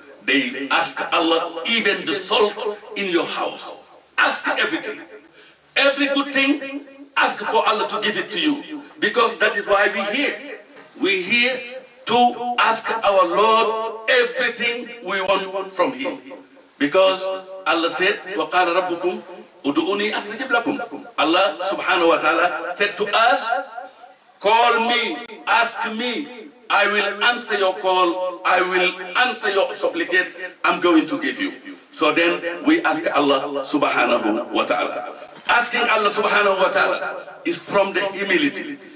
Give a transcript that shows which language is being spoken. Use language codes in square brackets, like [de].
[en] They ask Allah even the salt in your house. Ask everything. Every good thing, ask for Allah to give it to you. Because that is why we're here. We're here to ask our Lord everything we want from Him. Because Allah said, [ar] وَقَالَ رَبُّكُمْ أُدُؤُنِي أَسْتَجِبْ لَكُمْ. [en] Allah subhanahu wa ta'ala said to us, call me, ask me, I will answer your call, I will answer your supplicate, I'm going to give you. So then we ask Allah subhanahu wa ta'ala. Asking Allah subhanahu wa ta'ala is from the humility.